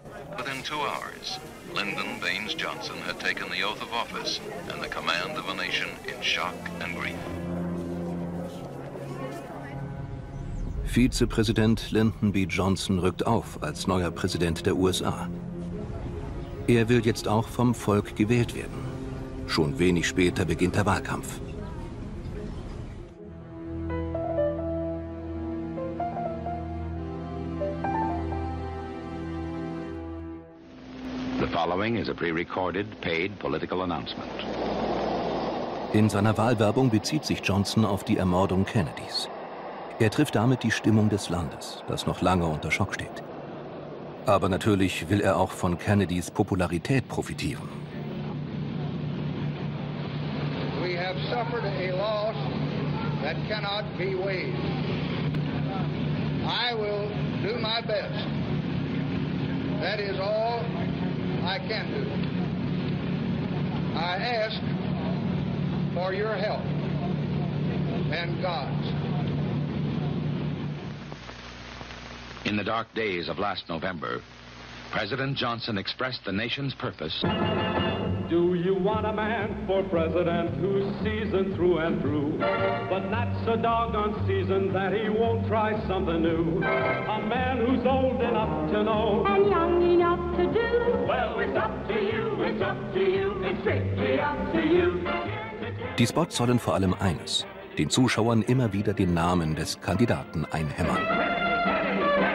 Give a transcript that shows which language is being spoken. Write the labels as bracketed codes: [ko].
[en] Within 2 hours, Lyndon Baines Johnson had taken the oath of office and the command of a nation in shock and grief. [de] Vizepräsident Lyndon B. Johnson rückt auf als neuer Präsident der USA. Er will jetzt auch vom Volk gewählt werden. Schon wenig später beginnt der Wahlkampf. [en] The following is a pre-recorded paid political announcement. [de] In seiner Wahlwerbung bezieht sich Johnson auf die Ermordung Kennedys. Er trifft damit die Stimmung des Landes, das noch lange unter Schock steht. Aber natürlich will er auch von Kennedys Popularität profitieren. [en] We have suffered a loss that cannot be waived. I will do my best. That is all I can do. I ask for your help and God's. In the dark days of last November, President Johnson expressed the nation's purpose. Do you want a man for president who's seasoned through and through, but not so doggone seasoned that he won't try something new? A man who's old enough to know and young enough to do. Well, it's up to you, it's up to you, it's strictly up to you. [de] Die Spots sollen vor allem eines, den Zuschauern immer wieder den Namen des Kandidaten einhämmern.